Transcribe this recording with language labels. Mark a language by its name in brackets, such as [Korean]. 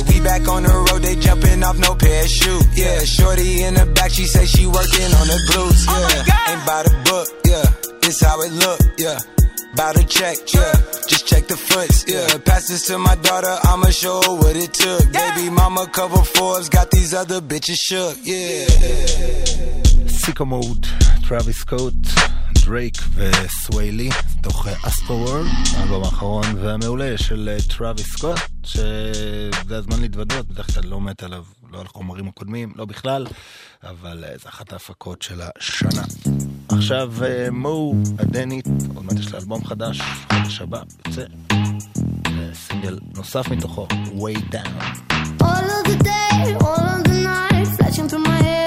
[English] We back on the road, they jumping off no parachute. Yeah, shorty in the back, she say she working on the blues. Yeah, oh my God. Ain't by the book, yeah. It's how it look, yeah. By the check, yeah. Just check the foots, yeah. Pass this to my daughter, I'ma show her what it took. Yeah. Baby mama cover Forbes, got these other bitches shook, yeah. [Hebrew] Sicko Mode, Travis Scott, דרייק וסווי לי, תוך אסטרו וורד, האלבום האחרון והמעולה של טראביס סקוט, שזה הזמן להתוודות, בדרך כלל לא מת עליו, לא על החומרים הקודמים, לא בכלל, אבל זה אחת ההפקות של השנה. עכשיו מו, הדנית, עוד מעט יש לה אלבום חדש, חדש הבא, יוצא, סינגל נוסף מתוכו, Way Down. [English] All of the day, all of the night, flashing through my